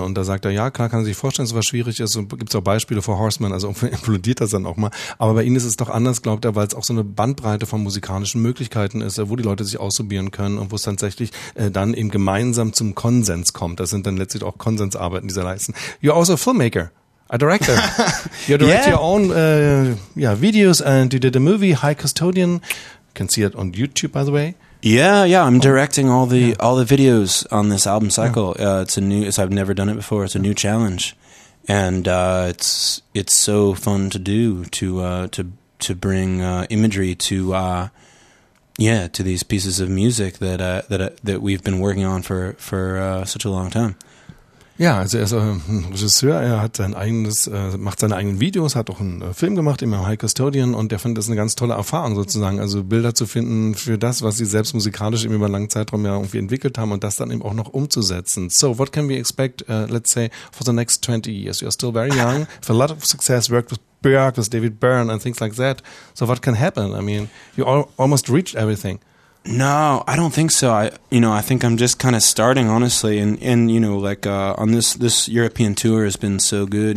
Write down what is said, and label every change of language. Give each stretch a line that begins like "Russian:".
German: Und da sagt er, ja, klar, kann er sich vorstellen, dass es was schwierig ist. Und gibt es auch Beispiele für Horseman, also implodiert das dann auch mal. Aber bei ihnen ist es doch anders, glaubt er, weil es auch so eine Bandbreite von musikalischen Möglichkeiten ist, wo die Leute sich ausprobieren können und wo es tatsächlich dann eben gemeinsam zum Konsens kommt. Das sind dann letztlich auch Konsensarbeiten, die sie leisten.
English: You're also a filmmaker. A director. You direct your own videos and you did a movie, High Custodian. You can see it on YouTube, by the way. Yeah, I'm directing all the videos on this album cycle. Yeah. I've never done it before. It's a new challenge. And it's so fun to do to bring imagery to these pieces of music that we've been working on for such a long time.
German: Ja, also er ist ein Regisseur, er hat sein eigenes, macht seine eigenen Videos, hat auch einen Film gemacht, immer High Custodian, und der findet das eine ganz tolle Erfahrung sozusagen, also Bilder zu finden für das, was sie selbst musikalisch eben über einen langen Zeitraum ja irgendwie entwickelt haben und das dann eben auch noch umzusetzen.
English: So, what can we expect, let's say, for the next 20 years? You're still very young, for a lot of success, worked with Björk, with David Byrne and things like that. So what can happen? I mean, you almost reached everything. No, I don't think so. I think I'm just kind of starting, honestly. And you know, like on this European tour has been so good.